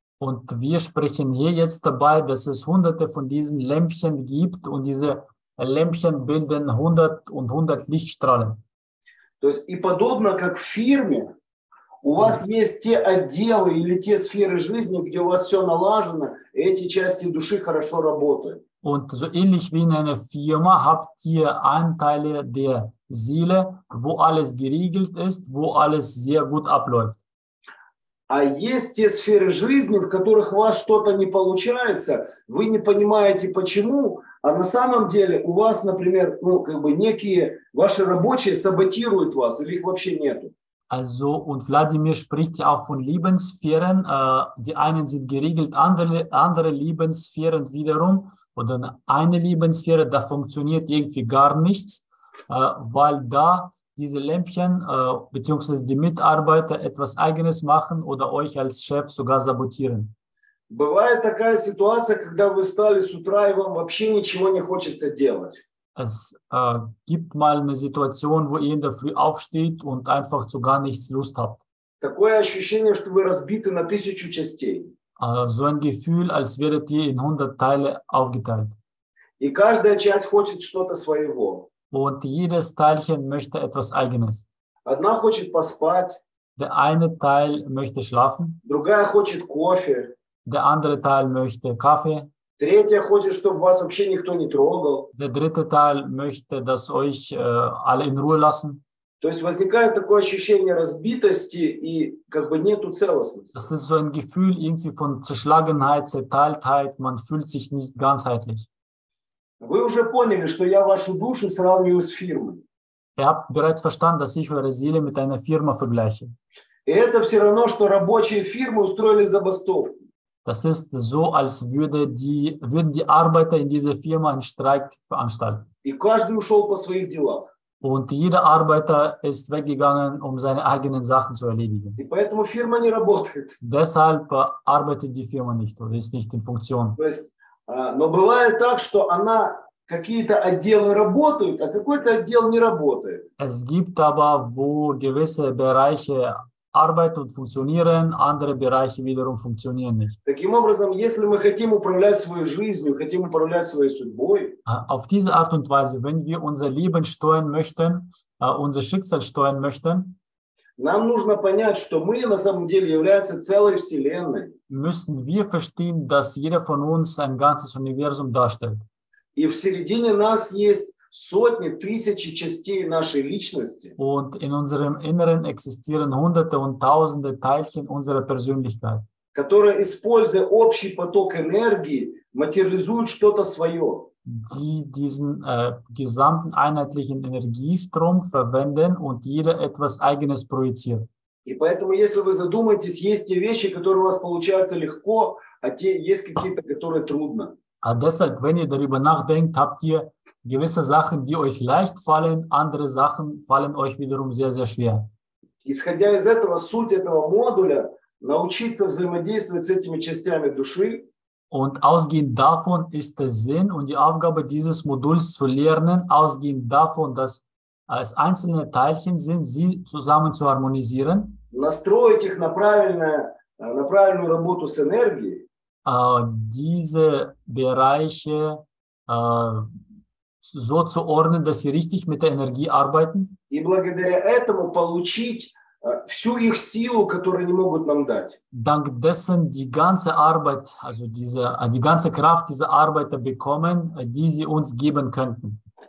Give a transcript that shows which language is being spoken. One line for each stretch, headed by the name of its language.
German: Und wir sprechen hier jetzt dabei, dass es hunderte von diesen Lämpchen gibt und diese Lämpchen bilden 100 und 100 Lichtstrahlen.
Russian: То есть и подобно как в фирме, у вас есть те отделы или те сферы жизни, где у вас все налажено, и эти части души хорошо работают.
German: Und so ähnlich wie in einer Firma habt ihr Anteile der Seele, wo alles geregelt ist, wo alles sehr gut abläuft.
Russian: А есть те сферы жизни, в которых у вас что-то не получается, вы не понимаете почему, а на самом деле у вас, например, ну, как бы некие ваши рабочие саботируют вас или их вообще нету.
German: Also, und Wladimir spricht ja auch von Lebenssphären. Die einen sind geregelt, andere Lebenssphären wiederum. Oder eine Lebenssphäre, da funktioniert irgendwie gar nichts, weil da diese Lämpchen beziehungsweise die Mitarbeiter etwas Eigenes machen oder euch als Chef sogar sabotieren.
Russian: Бывает такая ситуация, когда вы встали с утра и вам вообще ничего не хочется делать.
German: Es gibt mal eine Situation, wo ihr in der Früh aufsteht und einfach zu gar nichts Lust habt.
Russian: Такое ощущение, что вы разбиты на тысячу частей.
German: So ein Gefühl, als werdet ihr in 100 Teile aufgeteilt.
Russian: И каждая часть хочет что-то своего.
German: Und jedes Teilchen möchte etwas Eigenes.
Russian: Одна хочет поспать.
German: Der eine Teil möchte schlafen.
Russian: Другая хочет кофе.
German: Der andere Teil möchte Kaffee.
Russian: Третья хочет, чтобы вас вообще никто не трогал.
German: Der dritte Teil möchte, dass euch alle in Ruhe lassen.
Russian: То есть возникает такое ощущение разбитости и как бы нету целостности.
German: Das ist so ein Gefühl irgendwie von Zerschlagenheit, Zerteiltheit. Man fühlt sich nicht ganzheitlich.
Russian: Вы уже поняли, что я вашу душу сравниваю с фирмой.
German: Ihr habt bereits verstanden, dass ich eure Seele mit einer Firma vergleiche.
Russian: И это все равно, что рабочие фирмы устроили забастовку.
German: Das ist so, als würden die Arbeiter in dieser Firma einen Streik veranstalten.
Russian: И каждый ушел по своих делах.
German: Und jeder Arbeiter ist weggegangen, um seine eigenen Sachen zu erledigen.
Russian: И поэтому фирма не работает.
German: Deshalb arbeitet die Firma nicht oder ist nicht in Funktion.
Russian: То есть, но бывает так, что она какие-то отделы работают, а какой-то отдел не работает.
German: Es gibt aber, wo gewisse Bereiche arbeiten und funktionieren, andere Bereiche wiederum funktionieren nicht.
Russian: Таким образом, если мы хотим управлять своей жизнью, хотим управлять своей судьбой,
German: auf diese Art und Weise, wenn wir unser Leben steuern möchten, unser Schicksal steuern möchten,
Russian: нам нужно понять, что мы на самом деле являемся целой вселенной.
German: Müssen wir verstehen, dass jeder von uns ein ganzes Universum darstellt.
Russian: И в середине нас есть сотни, тысячи частей нашей личности.
German: Und in unserem Inneren existieren hunderte und tausende Teilchen unserer Persönlichkeit.
Russian: Которые, используя общий поток энергии, материализуют что-то свое.
German: Die diesen gesamten einheitlichen Energiestrom verwenden und jeder etwas Eigenes projiziert.
Russian: И поэтому, если вы задумаетесь, есть те вещи, которые у вас получаются легко, а те есть какие-то, которые трудно.
German: Deshalb, wenn ihr darüber nachdenkt, habt ihr gewisse Sachen, die euch leicht fallen, andere Sachen fallen euch wiederum sehr, sehr schwer.
Russian: Исходя из этого, суть этого модуля – научиться взаимодействовать с этими частями души.
German: Und ausgehend davon ist der Sinn und die Aufgabe dieses Moduls zu lernen, ausgehend davon, dass es einzelne Teilchen sind, sie zusammen zu harmonisieren.
Russian: Настроить их на правильную работу с энергией.
German: Diese Bereiche so zu ordnen, dass sie richtig mit der Energie arbeiten.
Russian: И благодаря этому получить всю их силу, которую они могут нам дать.
German: Dank dessen die ganze Arbeit, also diese, die ganze Kraft dieser Arbeiter bekommen, die sie uns geben könnten.